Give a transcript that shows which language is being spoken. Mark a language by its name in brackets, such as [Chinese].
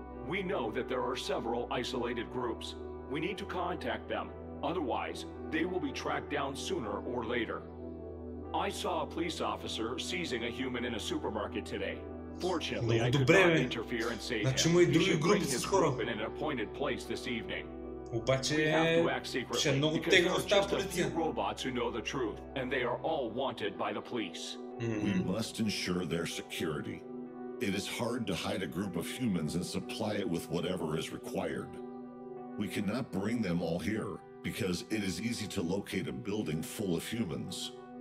[English] We know that there are several isolated groups. We need to contact them, otherwise they will be tracked down sooner or later. I saw a police officer seizing a human in a supermarket today. Fortunately, I could not interfere and save him. He should bring his group in an appointed place this evening. [Bulgarian] Обаче, ще е много тегло с тази полиция. [English] Robots who know the truth, and they are all wanted by the police. We must ensure their security. It is hard to hide a group of humans and supply it with whatever is required. We cannot bring them all here, because it is easy to locate a building full of humans.